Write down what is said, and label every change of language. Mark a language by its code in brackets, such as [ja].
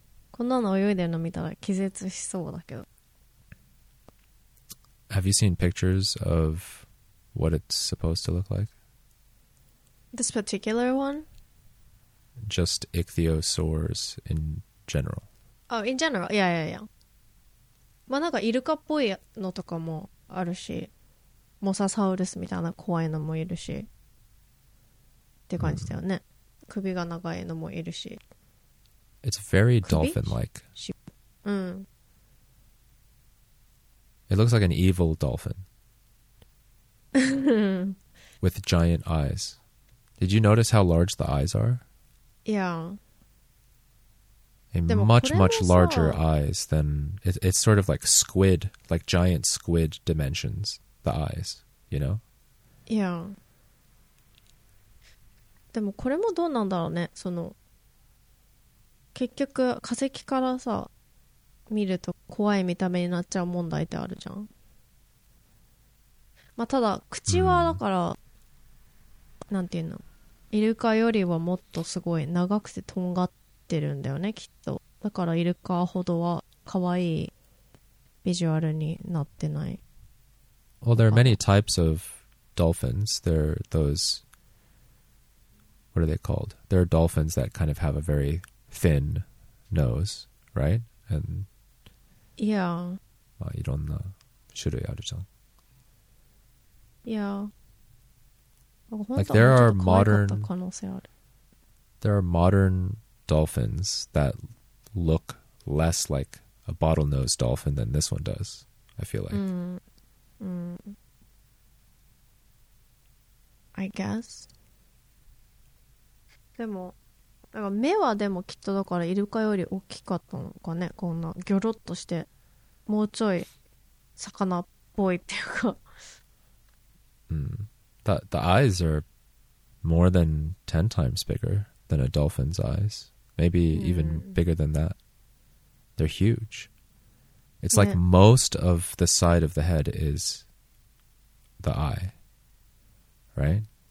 [ja] こんなの泳いでるの見たら気絶しそうだけど。 [en] Have you seen pictures of what it's supposed to look like? This particular one? Just ichthyosaurs in general. Oh, in general. Yeah, yeah, yeah. [ja] まあ、なんかイルカっぽいのとかもあるし、モササウルスみたいな怖いのもいるし、って感じだよね。首が長いのもいるし。 [en] It's very dolphin-like. It looks like an evil dolphin. With giant eyes. Did you notice how large the eyes are? Yeah. A much, much larger eyes than... It's sort of like squid, like giant squid dimensions, the eyes, you know? Yeah. [ja] でもこれもどうなんだろうね、その結局化石からさ見ると怖い見た目になっちゃう問題ってあるじゃん。まあただ口はだから、うん、なんていうの、イルカよりはもっとすごい長くてとんがってるんだよね、きっと。だからイルカほどは可愛いビジュアルになってない。 [en] Well, there are many types of dolphins. There are those、what are they called? There are dolphins that kind of have a very thin nose, right? And yeah. [ja] まあ、いろんな種類あるじゃん。 [en] Yeah. Like there are modern, there are modern dolphins that look less like a bottlenose dolphin than this one does, I feel like. I guess. [ja] でもだから目はでもきっとだからイルカより大きかったのかね、こんなギョロッとしてもうちょい魚っぽいっていうか、 [en] うん、the eyes are more than 10 times bigger than a dolphin's eyes, maybe even bigger than that. They're huge. It's like、ね、most of the side of the head is the eye, right?